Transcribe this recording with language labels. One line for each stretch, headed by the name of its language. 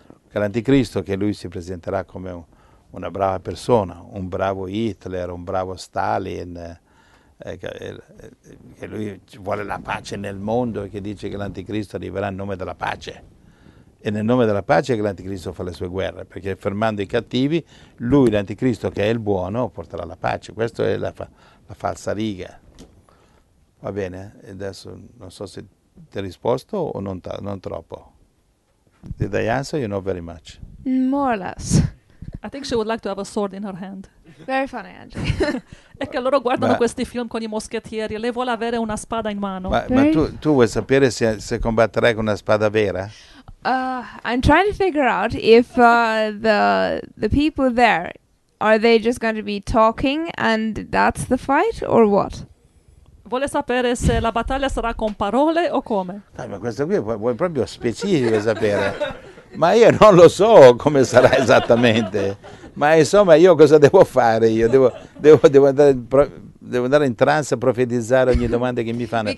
Italian: L'Anticristo, che lui si presenterà come una brava persona, un bravo Hitler, un bravo Stalin, che lui vuole la pace nel mondo e che dice che l'Anticristo arriverà in nome della pace. E nel nome della pace che l'Anticristo fa le sue guerre, perché fermando i cattivi, lui, l'Anticristo, che è il buono, porterà la pace. Questa è la falsa riga. Va bene? E adesso non so se ti ho risposto o non troppo.
English: Did I answer you? Not very much. More or less. I think she would like to have a sword in her hand. Very funny, Angie.
Italian: È che loro guardano questi film con i moschettieri e lei vuole avere una spada in mano. Ma tu vuoi sapere se combatterai con una spada vera?
English: I'm trying to figure out if the people there, are they just going to be talking and that's the fight or what?
Italian: Vuole sapere se la battaglia sarà con parole o come? Dai, ma questo qui vuoi proprio specifico sapere. Ma io non lo so come sarà esattamente. Ma insomma, io cosa devo fare? Io devo andare in trance a profetizzare ogni domanda che mi fanno.